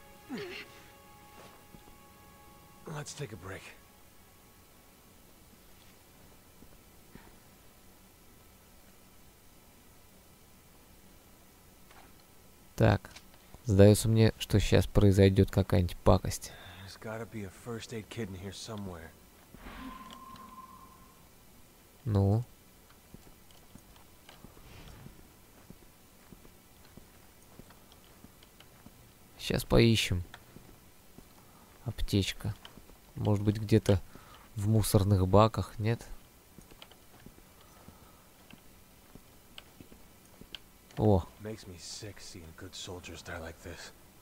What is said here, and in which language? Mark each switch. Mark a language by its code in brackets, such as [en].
[en] Let's take a break. [ru] Так, сдается мне, что сейчас произойдет какая-нибудь пакость. [en] There's gotta be a first aid kit in here somewhere. [ru] Ну? Сейчас поищем. Аптечка. Может быть, где-то в мусорных баках, нет? О. [en] Makes me sick seeing good soldiers die like this.